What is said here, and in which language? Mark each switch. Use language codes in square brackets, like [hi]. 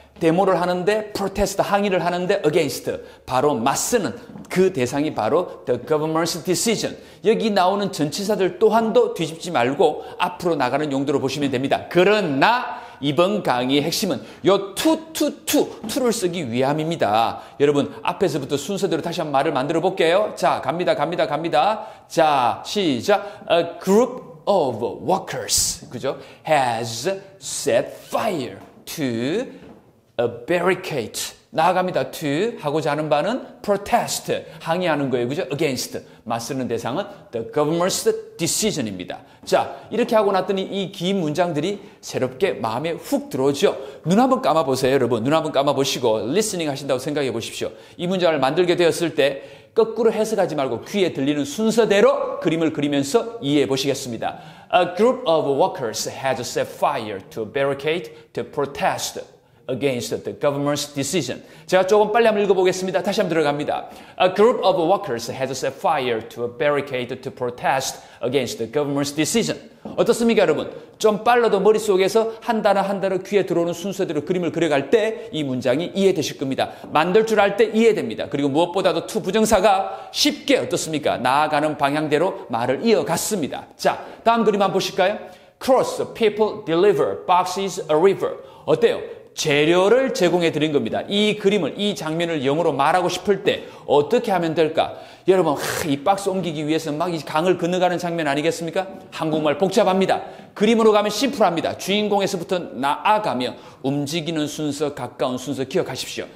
[ko] 데모를 하는데 프로테스트, 항의를 하는데 against, 바로 맞서는 그 대상이 바로 [en] the government's decision. [ko] 여기 나오는 전치사들 또한도 뒤집지 말고 앞으로 나가는 용도로 보시면 됩니다. 그러나 이번 강의의 핵심은 요 to를 쓰기 위함입니다. 여러분, 앞에서부터 순서대로 다시 한번 말을 만들어 볼게요. 자, 갑니다. 자, 시작. [en] A group of workers, [ko] 그죠? [en] has set fire to a barricade. [ko] 나아갑니다. to 하고자 하는 바는 protest, 항의하는 거예요. 그죠? [en] against, [ko] 맞서는 대상은 [en] the government's decision입니다. [ko] 자, 이렇게 하고 났더니 이 긴 문장들이 새롭게 마음에 훅 들어오죠. 눈 한번 감아보세요, 여러분. 눈 한번 감아보시고 리스닝 하신다고 생각해 보십시오. 이 문장을 만들게 되었을 때 거꾸로 해석하지 말고 귀에 들리는 순서대로 그림을 그리면서 이해해 보시겠습니다. [en] A group of workers has set fire to barricade to protest against the government's decision. [ko] 제가 조금 빨리 한번 읽어보겠습니다. 다시 한번 들어갑니다. [en] A group of workers has set fire to a barricade to protest against the government's decision. [ko] 어떻습니까, 여러분? 좀 빨라도 머릿속에서 한 단어 한 단어 귀에 들어오는 순서대로 그림을 그려갈 때 이 문장이 이해되실 겁니다. 만들 줄 알 때 이해됩니다. 그리고 무엇보다도 to 부정사가 쉽게 어떻습니까? 나아가는 방향대로 말을 이어갔습니다. 자, 다음 그림 한번 보실까요? [en] Cross, people, deliver, boxes, a river. [ko] 어때요? 재료를 제공해 드린 겁니다. 이 그림을, 이 장면을 영어로 말하고 싶을 때 어떻게 하면 될까? 여러분, 이 박스 옮기기 위해서 막 이 강을 건너가는 장면 아니겠습니까? 한국말 복잡합니다. 그림으로 가면 심플합니다. 주인공에서부터 나아가며 움직이는 순서, 가까운 순서 기억하십시오.